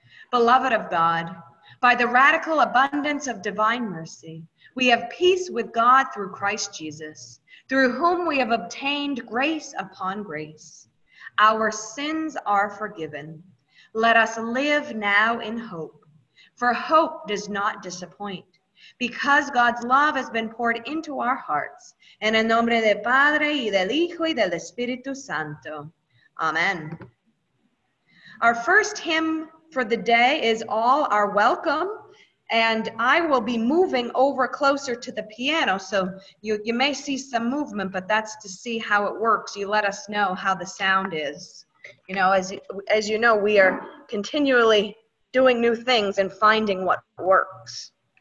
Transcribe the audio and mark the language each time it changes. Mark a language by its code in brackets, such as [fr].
[en] Beloved of God, by the radical abundance of divine mercy, we have peace with God through Christ Jesus, through whom we have obtained grace upon grace. Our sins are forgiven. Let us live now in hope, for hope does not disappoint, because God's love has been poured into our hearts. [es] En el nombre del Padre, y del Hijo, y del Espíritu Santo. Amen. [en] Our first hymn for the day is All Are Welcome, and I will be moving over closer to the piano, so you may see some movement, but that's to see how it works. You let us know how the sound is. You know, as you know, we are continually doing new things and finding what works.